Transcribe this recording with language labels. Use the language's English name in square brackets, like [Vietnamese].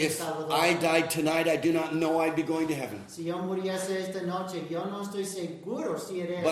[English] if [Spanish] salvador. [English] If I died tonight, I do not know I'd be going to heaven. [Spanish] Si yo muriese esta noche, yo no estoy seguro si iré al cielo.